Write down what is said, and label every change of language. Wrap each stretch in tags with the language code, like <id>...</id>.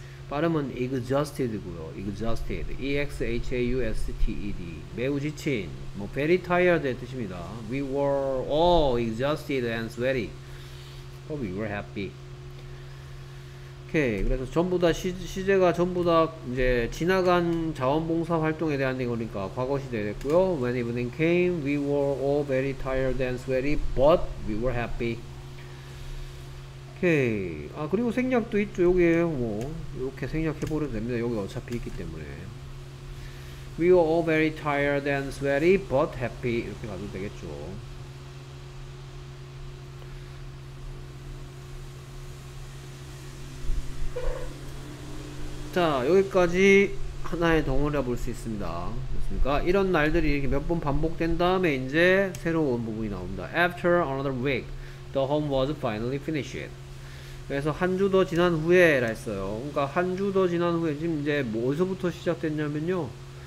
<ko>발음은 exhausted고요. exhausted. exhausted. 매우 지친. 뭐</ko> <en>very tired</en> <ko>의 뜻입니다.</ko> <en>we were all exhausted and sweaty. but we were happy. 오케이.</en> <ko>그래서 전부 다 시제가 전부 다 이제 지나간 자원봉사 활동에 대한 얘기니까 과거 시제 됐고요.</ko> <en>when evening came, we were all very tired and sweaty, but we were happy.</en> <ko>오케이. 아, 그리고 생략도 있죠. 여기에 뭐 이렇게 생략해버려도 됩니다. 여기 어차피 있기 때문에.</ko> <en>we were all very tired and sweaty, but happy.</en> <ko>이렇게 가도 되겠죠. 자, 여기까지 하나의 덩어리라 볼 수 있습니다. 그렇습니까? 이런 날들이 이렇게 몇 번 반복된 다음에 이제 새로운 부분이 나옵니다.</ko> <en>After another week, the home was finally finished.</en> <ko>그래서 한 주 더 지난 후에 라 했어요. 그러니까 한 주 더 지난 후에 지금 이제 뭐 어디서부터 시작됐냐면요.</ko>